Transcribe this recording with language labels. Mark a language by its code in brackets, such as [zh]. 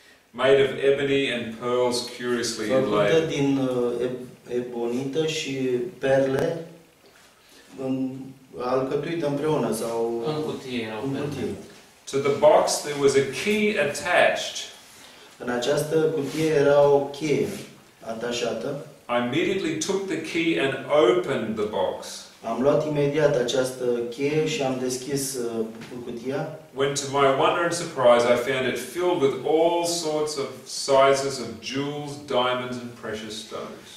[en] Made of ebony and pearls curiously inlaid. [ro] Făcută din ebonită și perle alcătuită împreună sau în cutie. [en] To the box there was a key attached. [ro] În această cutie era o cheie atașată. [en] I immediately took the key and opened the box. [ro] Am luat imediat această cheie și am deschis cutia. [en] When to my wonder and surprise I found it filled with all sorts of sizes of jewels, diamonds and precious stones.